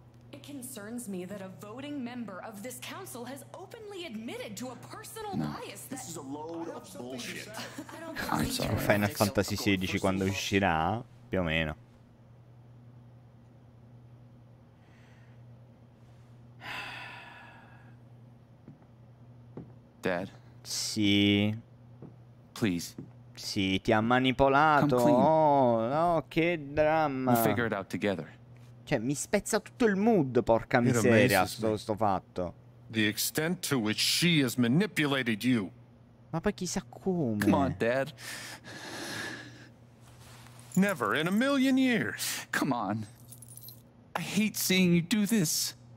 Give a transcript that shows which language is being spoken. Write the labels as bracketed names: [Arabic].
[English] It concerns me that a voting member of this council has openly admitted to a personal bias. This is a load of bullshit. [Italian] Final Fantasy 16 quando uscirà, più o meno. [English] Dad. [Italian] Sì. [English] Please. [Italian] Sì, ti ha manipolato. Oh, no, che dramma. [English] We'll figure it out together. [Italian] Cioè, mi spezza tutto il mood, porca miseria, sto fatto. [English] The extent to which she has manipulated you. [Italian] Ma poi chissà come. [English] Come on, Dad. Never in a million years. Come on. I hate seeing you do this.